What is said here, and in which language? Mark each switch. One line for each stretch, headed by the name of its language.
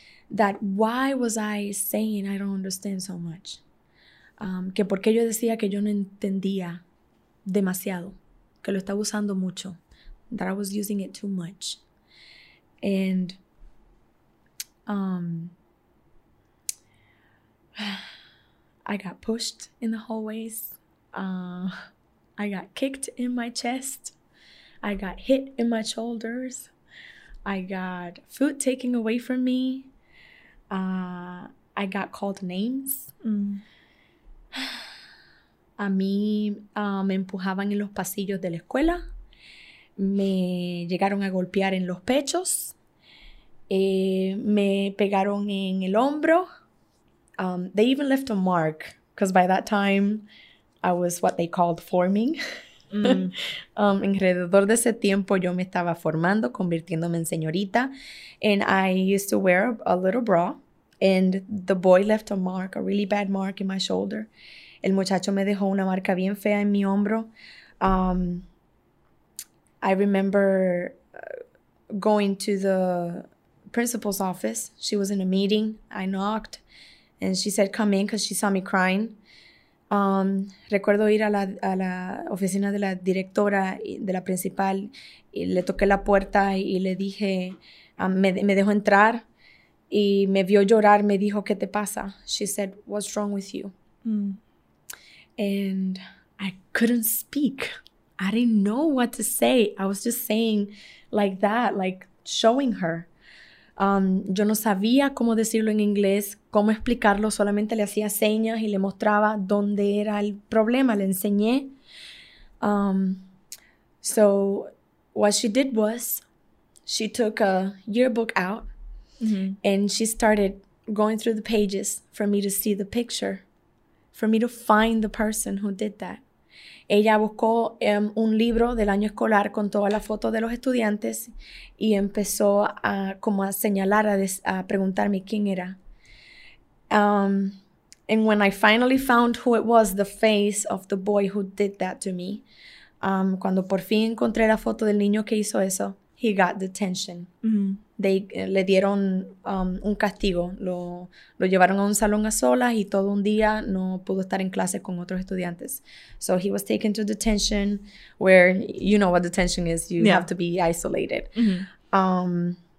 English: That why was I saying I don't understand so much?
Spanish: Que por qué yo decía que yo no entendía demasiado, que lo estaba usando mucho,
English: that I was using it too much. And I got pushed in the hallways. I got kicked in my chest. I got hit in my shoulders. I got food taken away from me. I got called names.
Spanish: A mí me empujaban en los pasillos de la escuela. Me llegaron a golpear en los pechos. Me pegaron en el hombro.
English: They even left a mark because by that time I was what they called forming.
Spanish: alrededor de ese tiempo yo me estaba formando, convirtiéndome en señorita.
English: And I used to wear a little bra. And the boy left a mark, a really bad mark in my shoulder.
Spanish: El muchacho me dejó una marca bien fea en mi hombro.
English: I remember going to the principal's office. She was in a meeting. I knocked and she said, come in, because she saw me crying.
Spanish: Recuerdo ir a la oficina de la directora, de la principal, y le toqué la puerta y le dije, me dejó entrar. Y me vio llorar, me dijo, ¿qué te pasa?
English: She said, what's wrong with you? And I couldn't speak. I didn't know what to say. I was just saying like that, like showing her.
Spanish: Yo no sabía cómo decirlo en inglés, cómo explicarlo. Solamente le hacía señas y le mostraba dónde era el problema. Le enseñé.
English: So what she did was she took a yearbook out. Mm-hmm. And she started going through the pages for me to see the picture, for me to find the person who did that.
Spanish: Ella buscó un libro del año escolar con todas las fotos de los estudiantes y empezó a como a señalar, a preguntarme quién era.
English: And when I finally found who it was, the face of the boy who did that to me,
Spanish: cuando por fin encontré la foto del niño que hizo eso,
English: he got detention. Mm-hmm.
Spanish: They le dieron un castigo. Lo llevaron a un salón a solas y todo un día no pudo estar en clase con otros estudiantes.
English: So he was taken to detention, where you know what detention is. You have to be isolated. Mm-hmm.